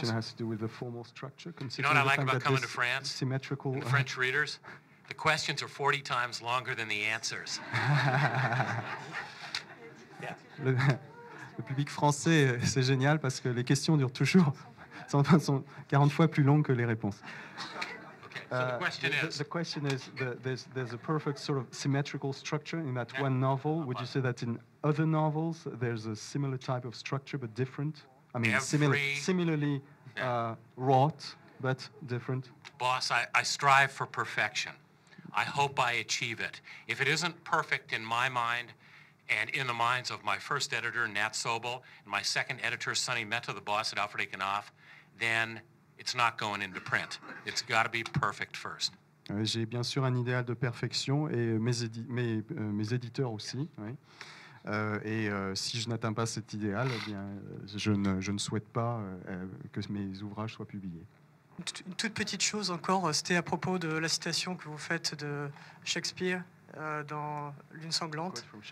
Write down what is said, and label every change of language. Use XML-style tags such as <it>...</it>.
<en>Question has to do with the formal structure. You know what I like about coming to France? Symmetrical French readers. The questions are 40 times longer than the answers.</en> <fr>Le public français, c'est génial parce que les questions durent toujours, sont 40 fois plus longues que les réponses.</fr> <en>So the question is, there's a perfect sort of symmetrical structure in that one novel. Would you say that in other novels, there's a similar type of structure, but different? I mean, similarly wrought, but different? Boss, I strive for perfection. I hope I achieve it. If it isn't perfect in my mind and in the minds of my first editor, Nat Sobel, and my second editor, Sonny Mehta, the boss at Alfred Akinoff, then it's not going into print. It's got to be perfect first.</en> <fr>J'ai bien sûr un idéal de perfection et mes éditeurs aussi. Oui. Si je n'atteins pas cet idéal, eh bien, je ne souhaite pas que mes ouvrages soient publiés. Une toute petite chose encore, c'était à propos de la citation que vous faites de Shakespeare dans Lune sanglante.</fr>